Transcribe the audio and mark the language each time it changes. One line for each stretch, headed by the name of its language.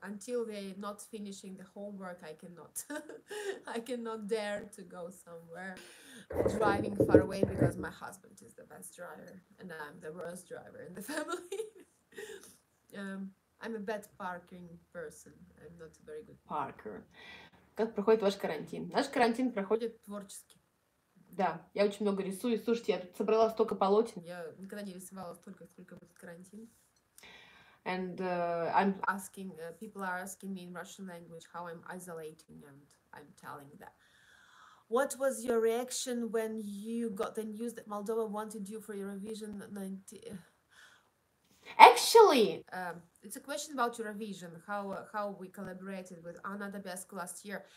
English: until they're not finishing the homework, I cannot dare to go somewhere driving far away because my husband is the best driver and I'm the worst driver in the family. I'm a bad parking person. I'm not a very good parker.
Russian: Как проходит ваш карантин? Наш карантин проходит творчески. Да, я очень много рисую. Слушайте, я собрала столько полотен. Я никогда не рисовала столько, сколько будет карантин.
English: And I'm asking, people are asking me in Russian language how I'm isolating, and I'm telling that. What was your reaction when you got the news that Moldova wanted you for Eurovision 90? Actually, it's a question about Eurovision, how we collaborated with Anna Dabesk last year.